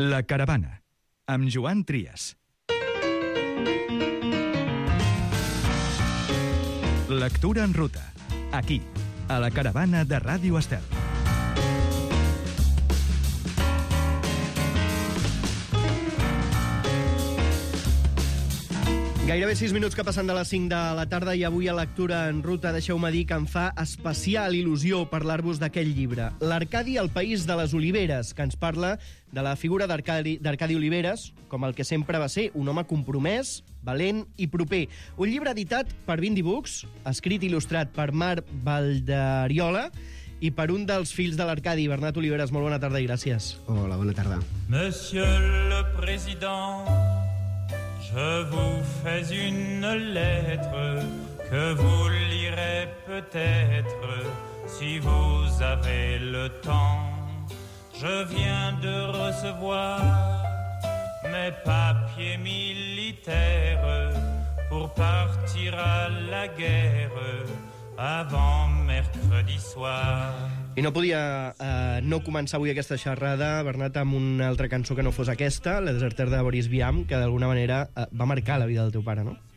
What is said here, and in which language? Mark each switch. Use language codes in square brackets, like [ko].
[ca] La caravana, amb Joan Trias. Lectura en ruta, aquí, a la caravana de Ràdio Estel. Gairebé 6 minuts que passen de les 5 de la tarda i avui a Lectura en ruta, deixeu-me dir que em fa especial il·lusió parlar-vos d'aquest llibre, l'Arcadi al País de les Oliveres, que ens parla de la figura d'Arcadi Oliveres com el que sempre va ser, un home compromès, valent i proper. Un llibre editat per Vindy Books, escrit i il·lustrat per Marc Valderiola i per un dels fills de l'Arcadi, Bernat Oliveres. Molt bona tarda i gràcies. Hola, bona tarda. [fr] Monsieur le Président, je vous fais une lettre que vous lirez peut-être si vous avez le temps. Je viens de recevoir mes papiers militaires pour partir à la guerre avant mercredi soir. [ca] I no podia no començar avui aquesta xerrada, Bernat, amb una altra cançó que no fos aquesta, La deserter de Boris Vian, que d'alguna manera va marcar la vida del teu pare, no?